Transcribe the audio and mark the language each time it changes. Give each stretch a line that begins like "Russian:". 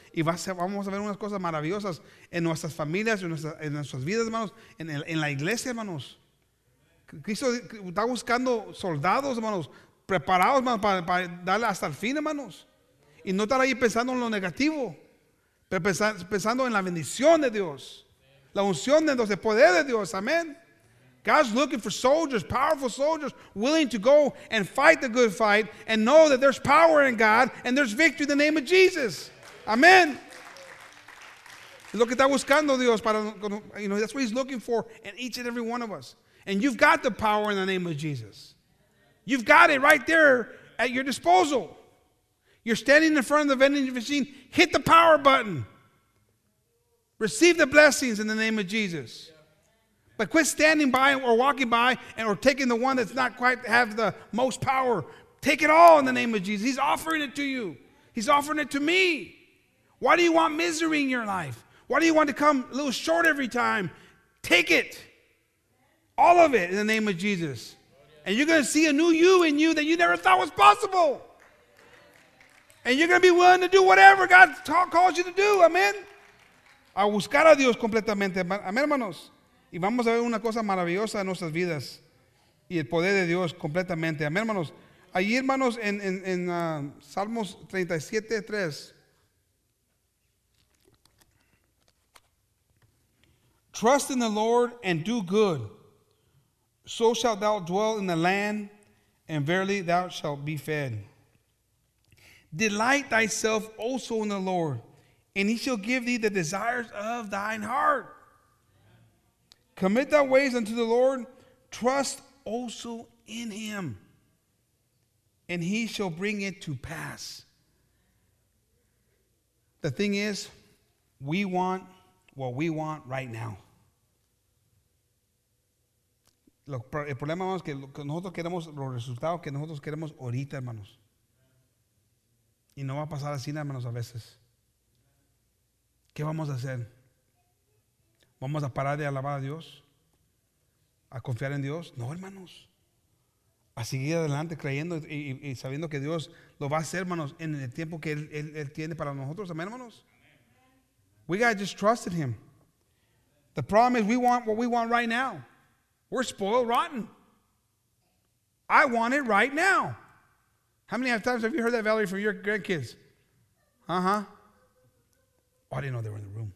Spanish: Y vamos a ver unas cosas maravillosas en nuestras familias, en nuestras vidas, hermanos, en la iglesia, hermanos. Cristo está buscando soldados, hermanos, preparados, hermanos, para darle hasta el fin, hermanos. Y no estar ahí pensando en lo negativo, pero pensando en la bendición de Dios, la unción de Dios, el poder de Dios, amén.
English: God's looking for soldiers, powerful soldiers, willing to go and fight the good fight and know that there's power in God and there's victory in the name of Jesus, amén.
Spanish: Es lo que está buscando Dios, para,
English: you know, that's what he's looking for in each and every one of us. And you've got the power in the name of Jesus. You've got it right there at your disposal. You're standing in front of the vending machine. Hit the power button. Receive the blessings in the name of Jesus. But quit standing by or walking by and or taking the one that's not quite have the most power. Take it all in the name of Jesus. He's offering it to you. He's offering it to me. Why do you want misery in your life? Why do you want to come a little short every time? Take it. All of it in the name of Jesus. And you're going to see a new you in you that you never thought was possible. And you're going to be willing to do whatever God calls you to do.
Spanish: Amen. A buscar a Dios completamente. Amén, hermanos. Y vamos a ver una cosa maravillosa en nuestras vidas. Y el poder de Dios completamente. Amén, hermanos. Allí, hermanos, en Salmos 37:3.
English: Trust in the Lord and do good. So shalt thou dwell in the land, and verily thou shalt be fed. Delight thyself also in the Lord, and he shall give thee the desires of thine heart. Commit thy ways unto the Lord, trust also in him, and he shall bring it to pass. The thing is, we want what we want right now.
Spanish: El problema, hermanos, que nosotros queremos los resultados que nosotros queremos ahorita, hermanos. Y no va a pasar así, hermanos, a veces. ¿Qué vamos a hacer? ¿Vamos a parar de alabar a Dios? ¿A confiar en Dios? No, hermanos. A seguir adelante creyendo y sabiendo que Dios lo va a hacer, hermanos, en el tiempo que Él tiene para nosotros.
English: Amén, hermanos. We gotta just trust in Him. The problem is we want what we want right now. We're spoiled rotten. I want it right now. How many times have you heard that, Valerie, from your grandkids? Uh-huh. Oh, I didn't know they were in the room.